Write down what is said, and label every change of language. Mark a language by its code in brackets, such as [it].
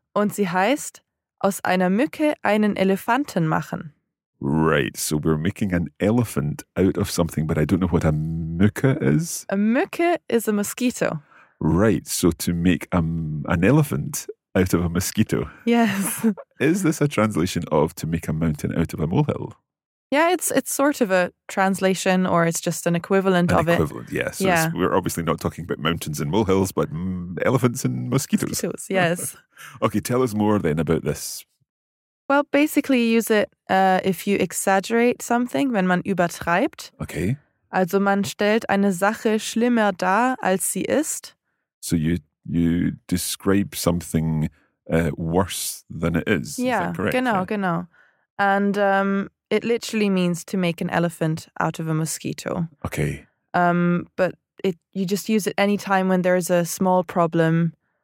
[de] Und sie heißt, aus einer Mücke einen Elefanten machen. [en] Right, so we're making an elephant out of something, but I don't know what a Mücke is. A Mücke is a mosquito. Right, so to make an elephant out of a mosquito. Yes. Is this a translation of to make a mountain out of a molehill? Yeah, it's sort of a translation or it's just an equivalent an of equivalent, it. Equivalent, yes. So yeah. We're obviously not talking about mountains and molehills, but elephants and mosquitoes. Mosquitoes, yes. Okay, tell us more then about this. Well, basically you use it if you exaggerate something, [de] wenn man übertreibt. [en] Okay. [de] Also man stellt eine Sache schlimmer dar, als sie ist. [en] So you describe something worse than it is. Yeah, is that correct? Genau, yeah, genau. And it literally means to make an elephant out of a mosquito. Okay. But you just use it any time when there is a small problem.